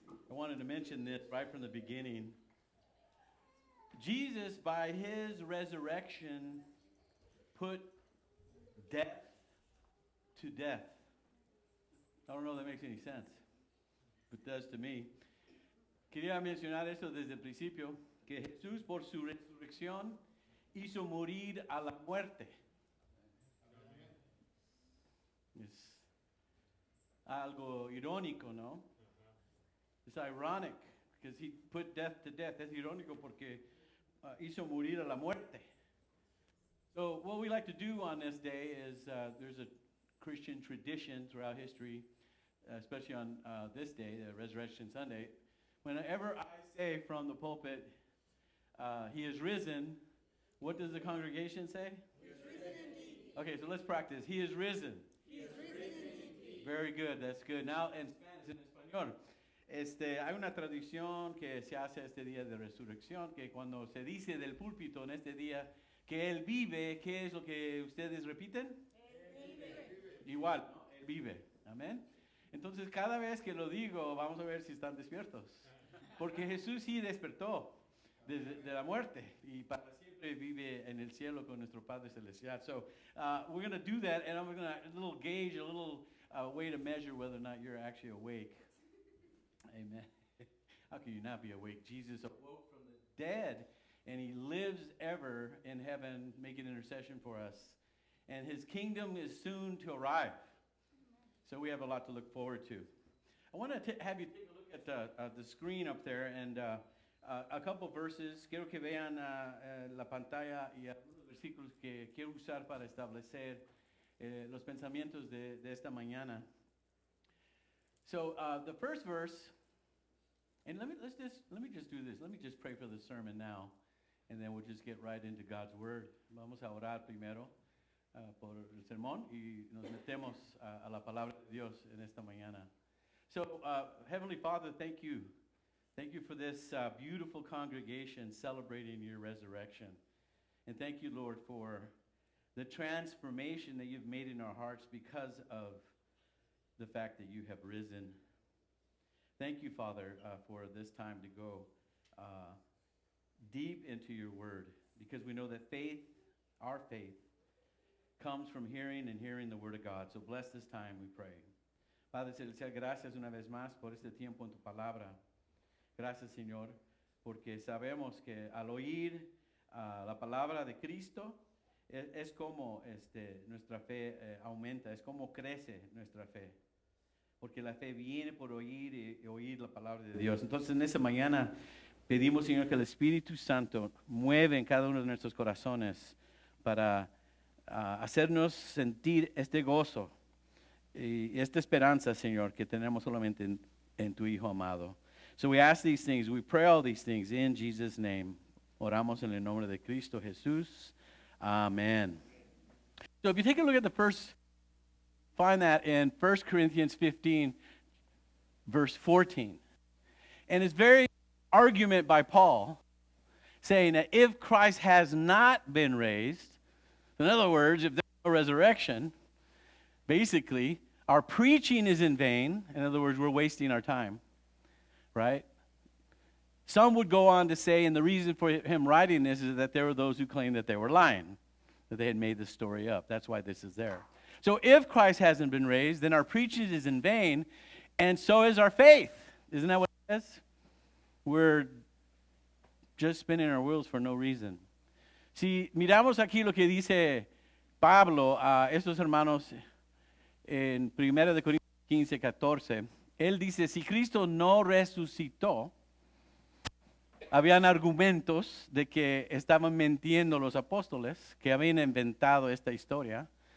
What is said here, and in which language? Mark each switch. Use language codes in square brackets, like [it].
[en] I wanted to mention this right from the beginning. Jesus, by his resurrection, put death to death. I don't know if that makes any sense, but it does to me. [es] Quería mencionar eso desde el principio, que Jesús por su resurrección hizo morir a la muerte. Es algo irónico, ¿no? [en] It's ironic, because he put death to death. [es] Es irónico porque hizo morir a la muerte. [en] So what we like to do on this day is, there's a Christian tradition throughout history, especially on this day, the Resurrection Sunday. Whenever I say from the pulpit, he is risen, what does the congregation say? He is risen indeed. Okay, so let's practice. He is risen. He is risen indeed. Very good, that's good. Now in Spanish, [es] in Español. Hay una tradición que se hace este día de resurrección, que cuando se dice del púlpito en este día que Él vive, ¿qué es lo que ustedes repiten? Él vive. Igual, Él vive. Amén. Entonces, cada vez que lo digo, vamos a ver si están despiertos. Porque Jesús sí despertó de la muerte y para siempre vive en el cielo con nuestro Padre Celestial. [en] So, we're going to do that, and I'm going to a little gauge, a little way to measure whether or not you're actually awake. Amen. How can you not be awake? Jesus awoke from the dead, and he lives ever in heaven, making intercession for us. And his kingdom is soon to arrive. So we have a lot to look forward to. I want to have you take a look at the screen up there, and a couple verses. [es] Quiero que vean la pantalla y algunos versículos que quiero usar para establecer los pensamientos de esta mañana. [en] So the first verse, and let me just pray for the sermon now, and then we'll just get right into God's word. [es] Vamos a orar primero por el sermón y nos metemos a la palabra de Dios en esta mañana. [en] So Heavenly Father, thank you. Thank you for this beautiful congregation celebrating your resurrection. And thank you, Lord, for the transformation that you've made in our hearts because of the fact that you have risen. Thank you, Father, for this time to go deep into your word, because we know that faith, our faith, comes from hearing and hearing the word of God. So bless this time, we pray. [es] Padre Celestial, gracias una vez más por este tiempo en tu palabra. Gracias, Señor, porque sabemos que al oír la palabra de Cristo, es como nuestra fe aumenta, es como crece nuestra fe. Porque la fe viene por oír y oír la palabra de Dios. Entonces, en esta mañana pedimos, Señor, que el Espíritu Santo mueva en cada uno de nuestros corazones para hacernos sentir este gozo y esta esperanza, Señor, que tenemos solamente en tu Hijo amado. [en] So we ask these things, we pray all these things in Jesus' name. [es] Oramos en el nombre de Cristo Jesús. [en] Amen. So if you take a look at the first, find that in 1 Corinthians 15, verse 14. And it's very argument by Paul, saying that if Christ has not been raised, in other words, if there's no resurrection, basically, our preaching is in vain. In other words, we're wasting our time. Right? Some would go on to say, and the reason for him writing this is that there were those who claimed that they were lying, that they had made the story up. That's why this is there. So if Christ hasn't been raised, then our preaching is in vain, and so is our faith. Isn't that what it says? We're just spinning our wheels for no reason. [es] Si miramos aquí lo que dice Pablo a estos hermanos en 1 Corintios 15, 14, él dice, si Cristo no resucitó, habían argumentos de que estaban mintiendo los apóstoles, que habían inventado esta historia.